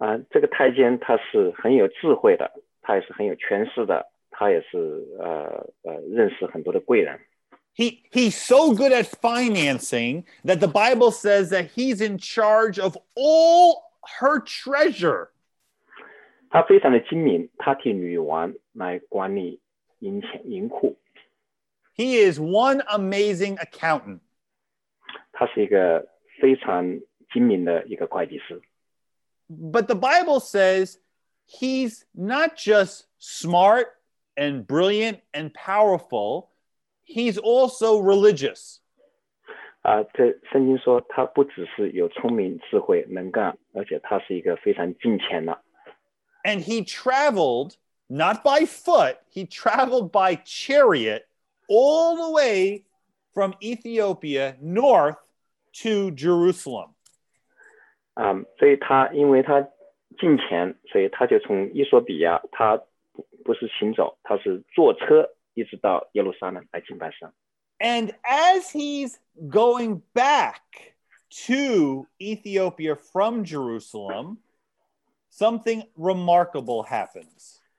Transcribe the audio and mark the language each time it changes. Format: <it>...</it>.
<zh>这个太监他是很有智慧的，他也是很有权势的，他也是认识很多的贵人。</zh> <en>He's so good at financing that the Bible says that he's in charge of all her treasure.</en> <zh>他非常的精明，他替女王来管理银库。</zh> <en>He is one amazing accountant.</en> <zh>他是一个非常精明的一个会计师。</zh> <en>But the Bible says he's not just smart and brilliant and powerful, he's also religious.</en> <zh>这圣经说他不只是有聪明、智慧、能干，而且他是一个非常敬虔的。</zh> <en>And he traveled, not by foot, he traveled by chariot all the way from Ethiopia north to Jerusalem.</en> <zh>所以他因为他近前，所以他就从伊索比亚，他不是行走，他是坐车一直到耶路撒冷来敬拜神。</zh> <en>And as he's going back to Ethiopia from Jerusalem,something remarkable happens.</en>